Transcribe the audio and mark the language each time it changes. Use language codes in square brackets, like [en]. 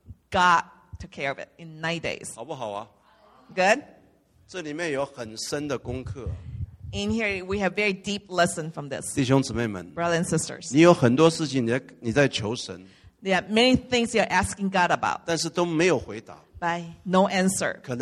[en] God took care of it in 9 days. [zh] 好不好啊? [en] Good? [zh] 这里面有很深的功课。 [en] In here, we have very deep lesson from this. [zh] 弟兄姊妹们, [en] brothers and sisters. [zh] 你有很多事情你在求神。 [en] There are many things you're asking God about. But no answer.